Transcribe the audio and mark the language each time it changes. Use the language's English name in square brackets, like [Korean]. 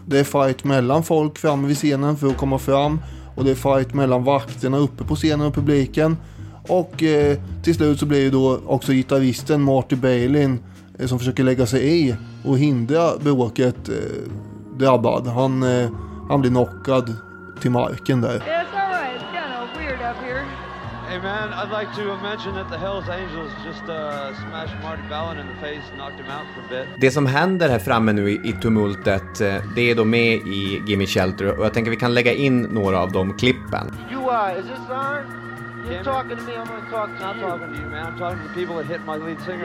[Swedish] Det är fight mellan folk framme vid scenen för att komma fram. Och det är fight mellan vakterna uppe på scenen och publiken. Och till slut så blir ju då också gitarristen Marty Balin som försöker lägga sig i och hindra bråket drabbad. Han blir knockad till marken där. [English] Hey man, I'd like to mention that the Hell's Angels just smashed Marty Balin in the face and knocked him out for a bit. [Swedish] Det som händer här framme nu i tumultet, det är då med i Gimme Shelter, och jag tänker vi kan lägga in några av de klippen. [English] You is this on? You're talking to me, I'm gonna talk to you. I'm talking to you, man. I'm talking to the people that hit my lead singer